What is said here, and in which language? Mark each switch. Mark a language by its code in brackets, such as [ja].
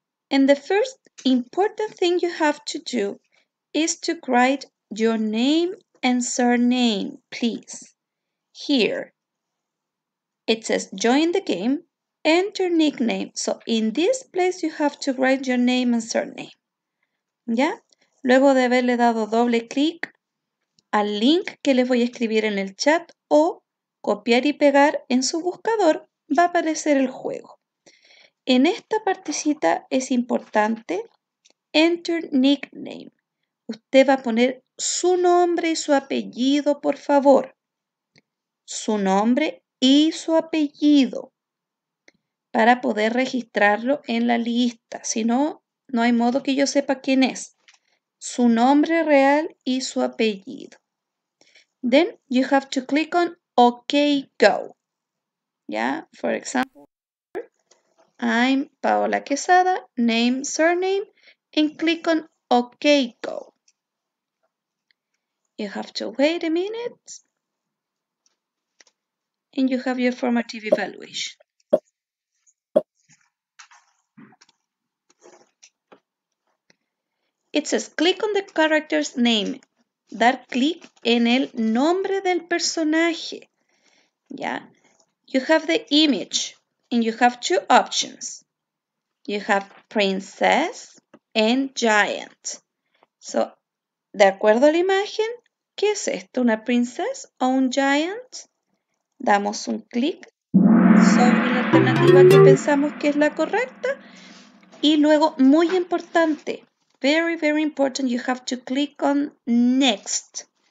[en] And the first important thing you have to do is to write your name and surname, please. Here it says join the game and your nickname. So in this place you have to write your name and surname. Yeah? [es] Luego de haberle dado doble clic al link que les voy a escribir en el chat o copiar y pegar en su buscador, va a aparecer el juego. En esta partecita es importante [en] enter nickname. [es] Usted va a poner su nombre y su apellido, por favor. Su nombre y su apellido para poder registrarlo en la lista. Si no, no hay modo que yo sepa quién es. Su nombre real y su apellido. [en] Then you have to click on OK, go. Yeah, for example, I'm Paola Quesada, name, surname, and click on OK, go. You have to wait a minute, and you have your formative evaluation. It says click on the character's name. [es] Dar clic en el nombre del personaje. [en] Yeah. You have the image and you have two options. You have princess and giant. [es] So, de acuerdo a la imagen, ¿qué es esto? ¿Una princess o un giant? Damos un clic sobre la alternativa que pensamos que es la correcta. Y luego, muy importante, [en] very, very important, you have to click on next.